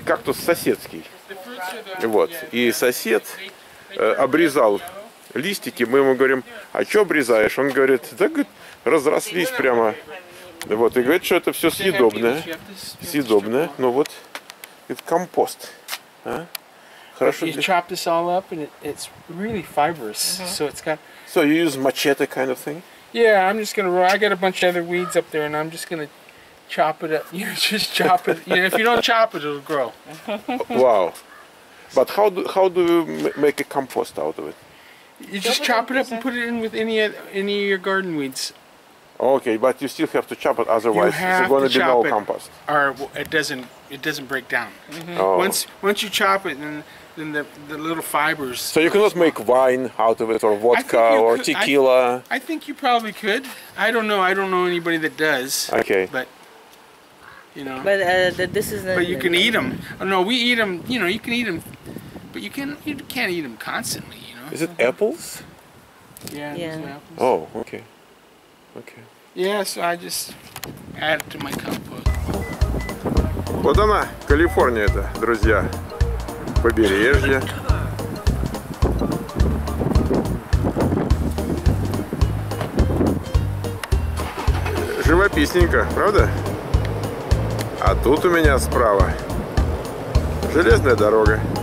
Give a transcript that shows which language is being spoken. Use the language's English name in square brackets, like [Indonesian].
[Russian] Кактус соседский. Вот. И сосед обрезал листики. Мы ему говорим, а что обрезаешь? Он говорит, да, говорит, разрослись прямо. Вот. И говорит, что это все съедобное. Съедобное. Ну вот. Это компост. А? Хорошо. [English] You chop this all up and it's really fibrous. So it's got. So you use machete kind of thing? Yeah, I'm just gonna roll. I got a bunch of other weeds up there and I'm just gonna chop it up. You know, just chop it. You know, if you don't chop it, it'll grow. Wow. But how do you make a compost out of it? You just chop it up and put it in with any of your garden weeds. Okay, but you still have to chop it, otherwise it's going to be no compost. Or it doesn't break down. Mm-hmm. Oh. Once you chop it, then the little fibers. So you cannot make wine out of it, or vodka, or tequila. I think you probably could. I don't know. I don't know anybody that does. Okay. But you know. But this is. But you can eat them. Oh, no, we eat them. You know, you can eat them, but you can't eat them constantly. You know. Is it apples? Yeah. Apples. Oh, okay. Okay. Yeah, so I just add to my compost. [Russian] Вот она, Калифорния это, друзья. Побережье. Живописненько, правда? А тут у меня справа железная дорога.